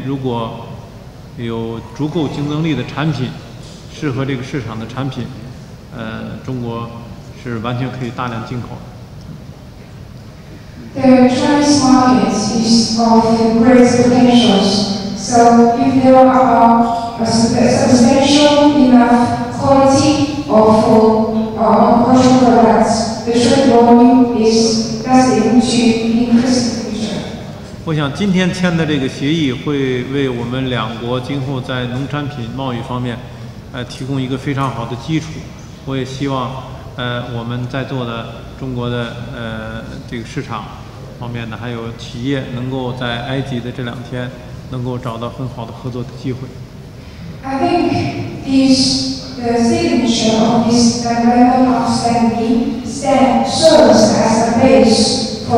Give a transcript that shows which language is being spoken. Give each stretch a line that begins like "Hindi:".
Chinese: 我们相信，如果有足够竞争力的产品，适合这个市场的产品，中国是完全可以大量进口。
English: The Chinese market is of great potentials. So if there are a substantial enough quality of commercial products, the trade volume is destined to increase.
Chinese: 我想今天签的这个协议会为我们两国今后在农产品贸易方面，提供一个非常好的基础。我也希望，我们在座的中国的这个市场方面呢，还有企业能够在埃及的这两天能够找到很好的合作的机会。
English: I think the signature of this memorandum of understanding serves as a base.